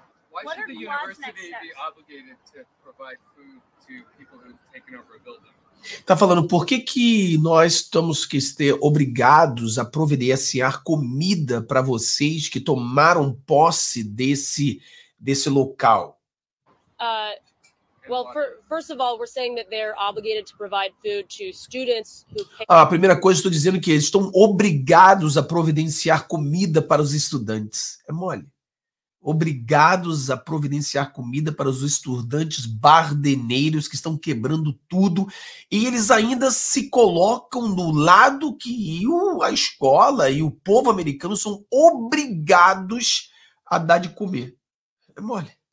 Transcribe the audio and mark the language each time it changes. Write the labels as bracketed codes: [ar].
[en] Why should the university be obligated to provide food to people who have taken over a building? [pt] Tá falando, por que que nós temos que ser obrigados a providenciar comida para vocês que tomaram posse desse local? [en] Well, first of all, we're saying that they're obligated to provide food to students who pay. [pt] A primeira coisa, estou dizendo que eles estão obrigados a providenciar comida para os estudantes. É mole. Obrigados a providenciar comida para os estudantes bardeneiros que estão quebrando tudo, e eles ainda se colocam do lado que a escola e o povo americano são obrigados a dar de comer. É mole.